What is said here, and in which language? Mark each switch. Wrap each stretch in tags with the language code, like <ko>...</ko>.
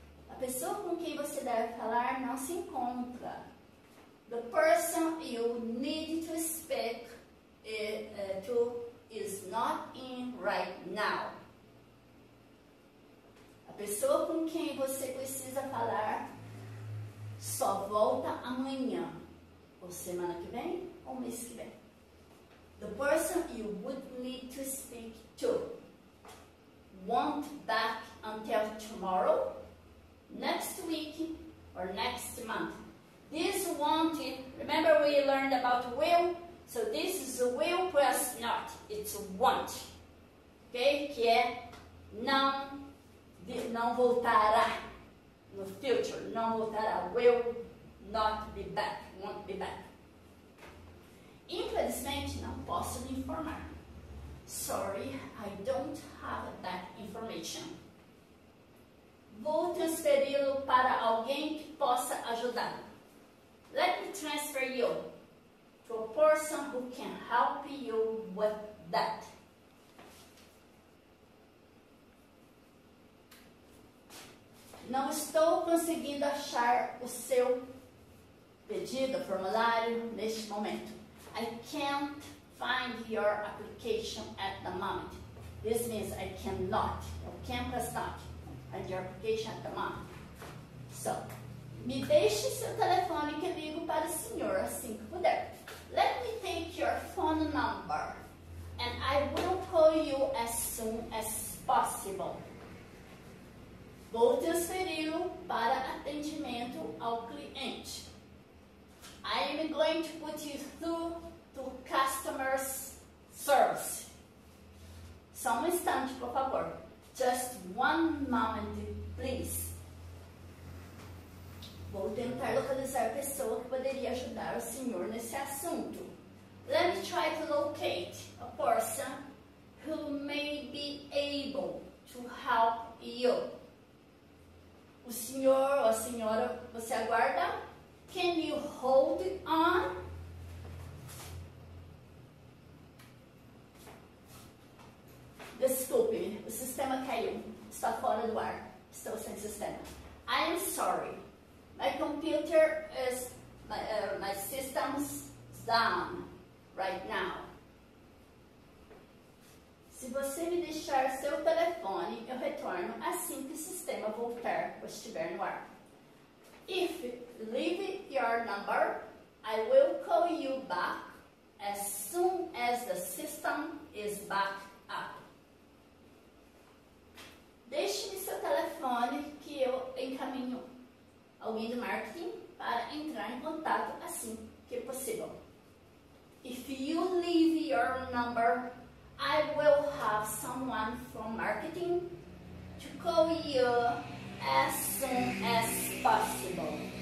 <pt>A pessoa com quem você deve falar não se encontra.</pt> <en>The person you need to speak to is not in right now.</en> <pt>A pessoa com quem você precisa falar só volta amanhã, ou semana que vem, ou mês que vem.</pt> <en>The person you would need to speak to won't back until tomorrow, next week, or next month. This won't, remember we learned about will? So this is a will plus not, it's a won't. Okay?</en> <pt>Que é não, de não voltará no future. Não voltará,</pt> <en>will not be back, won't be back.</en> <pt>Infelizmente, não posso lhe informar.</pt> <en>Sorry, I don't have that information.</en> <pt>Vou transferi-lo para alguém que possa ajudar.</pt> <en>Let me transfer you to a person who can help you with that.</en> <pt>Não estou conseguindo achar o seu pedido, formulário, neste momento.</pt> <en>I can't find your application at the moment. This means I cannot. Eu can't plus not. And your application at the moment.</en> <pt>So, me deixe seu telefone que ligo para o senhor assim que puder.</pt> <en>Let me take your phone number and I will call you as soon as possible.</en> <pt>Vou transferi-lo para atendimento ao cliente.</pt> <en>I am going to put you through to customer service.</en> <pt>Só um instante, por favor.</pt> <en>Just one moment, please.</en> <pt>Vou tentar localizar a pessoa que poderia ajudar o senhor nesse assunto.</pt> <en>Let me try to locate a person who may be able to help you.</en> <pt>O senhor ou a senhora, você aguarda?</pt> <en>Can you hold on?</en> <pt>Desculpe, o sistema caiu. Está fora do ar. Estou sem sistema.</pt> <en>I am sorry. My system's down right now.</en> <pt>Se você me deixar seu telefone, eu retorno assim que o sistema voltar ou estiver no ar.</pt> <en>If you leave your number, I will call you back as soon as the system is back up.</en> <pt>Deixe-me seu telefone que eu encaminho alguém do marketing para entrar em contato assim que possível.</pt> <en>If you leave your number, I will have someone from marketing to call you as soon as possible.</en>